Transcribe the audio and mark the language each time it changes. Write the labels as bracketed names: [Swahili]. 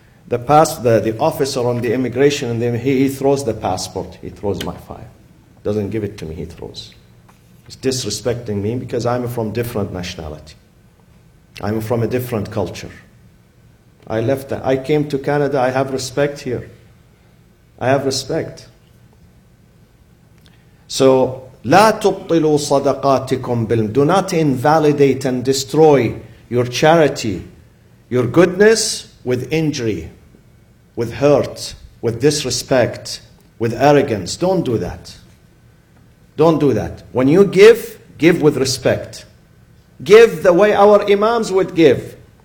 [English] The pass, the officer on the immigration, and he throws the passport. He throws my file. Doesn't give it to me, he throws. He's disrespecting me because I'm from different nationality. I'm from a different culture. I left, I came to Canada, I have respect here. I have respect. [Arabic] So, لا تبطلوا صدقاتكم بال. [English] Do not invalidate and destroy your charity, your goodness, with injury, with hurt, with disrespect, with arrogance. Don't do that. Don't do that. When you give with respect. Give the way our imams would give.